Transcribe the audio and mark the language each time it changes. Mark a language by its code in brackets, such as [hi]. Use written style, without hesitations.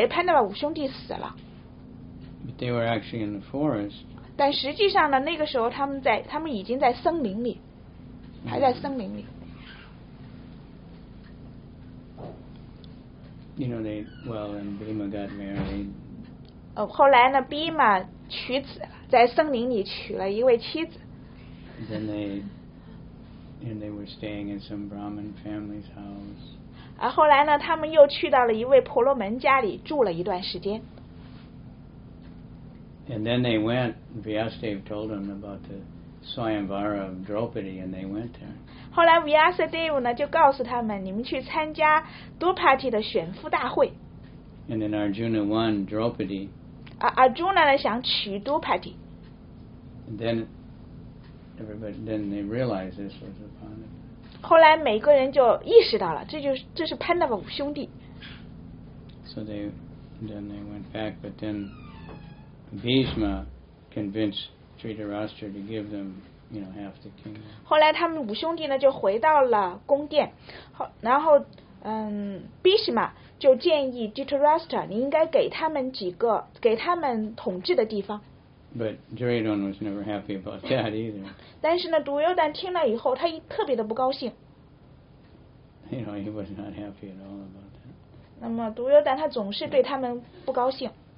[zh] 那么当时呢，没有人想着潘德瓦五兄，就以为潘德瓦五兄弟死了。 [en] But they were actually in the forest. [zh] 但实际上呢，那个时候他们已经在森林里，还在森林里。 [en] You know, they, well, and Bhima got married. [zh] 后来呢，Bhima娶子，在森林里娶了一位妻子。 [en] Then they, and they were staying in some Brahmin family's house. [zh] 后来呢，他们又去到了一位婆罗门家里住了一段时间。 [en] And then they went, Vyasadeva told them about the Swayamvara of Draupadi, and they went there. [zh] 后来 Vyasadeva 呢，就告诉他们，你们去参加 Draupadi 的选妇大会。 [en] And then Arjuna won Draupadi. [zh] Arjuna 呢，想娶 Draupadi。 [en] Then they realized this was a Pandava. [zh] 后来每个人就意识到了，这是 Pandava 五兄弟。 [en] So they went back, but then Bhishma convinced Dhritarashtra to give them, you know, half the kingdom. [zh] 后来他们五兄弟呢就回到了宫殿，然后，Bhishma就建议 Dhritarashtra 你应该给他们统治的地方。 [en] But Duryodhana was never happy about that either. [zh] 但是呢，独优丹听了以后，他特别的不高兴。 [en] You know, he was not happy at all about that. [zh] 那么独优丹他总是对他们不高兴。